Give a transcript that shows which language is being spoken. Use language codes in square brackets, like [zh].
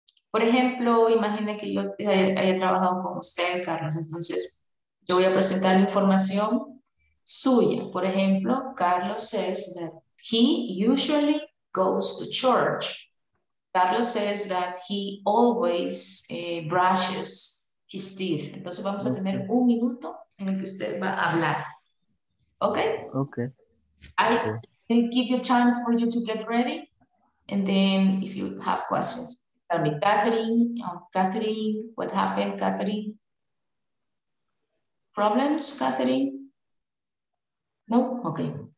[es] Por ejemplo, imagine que yo haya trabajado con usted, Carlos, entonces yo voy a presentar la información suya. Por ejemplo, [en] Carlos says that he usually goes to church. Carlos says that he always brushes his teeth. [es] Entonces vamos a tener un minuto en el que usted va a hablar. [en] Okay? Okay. I can give you time for you to get ready. And then if you have questions, tell me, Catherine, what happened, Catherine? Problems, Catherine? No? Okay.